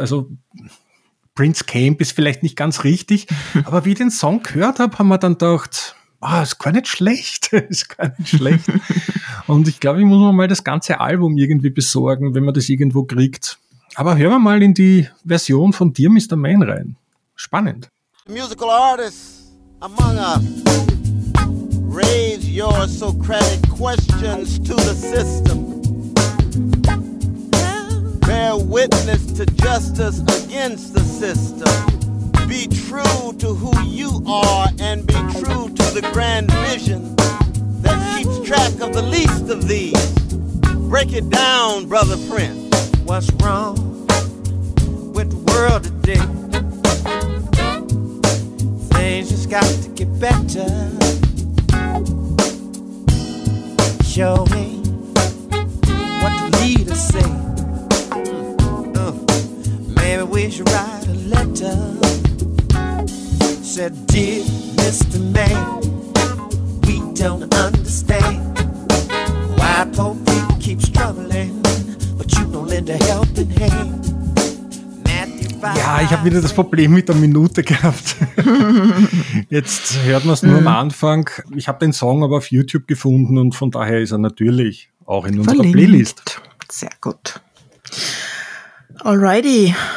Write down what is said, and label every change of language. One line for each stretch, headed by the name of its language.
German: Also Prince Camp ist vielleicht nicht ganz richtig. Aber wie ich den Song gehört habe, haben wir dann gedacht, oh, ist gar nicht schlecht. Ist gar nicht schlecht. Und ich glaube, ich muss mir mal das ganze Album irgendwie besorgen, wenn man das irgendwo kriegt. Aber hören wir mal in die Version von Dear Mr. Man rein. Spannend.
English: Musical artists among us, raise your Socratic questions to the system. Bear witness to justice against the system. Be true to who you are and be true to the grand vision that keeps track of the least of these. Break it down, Brother Prince. What's wrong with the world today? Things just got to get better. Show me what the leaders say. Maybe we should write a letter. Said, dear Mr. May, we don't understand why poor people keep struggling, but you don't lend a helping hand.
German: Ja, ich habe wieder das Problem mit der Minute gehabt. Jetzt hört man es nur am Anfang. Ich habe den Song aber auf YouTube gefunden und von daher ist er natürlich auch in unserer verlinkt. Playlist. Sehr gut. Alrighty.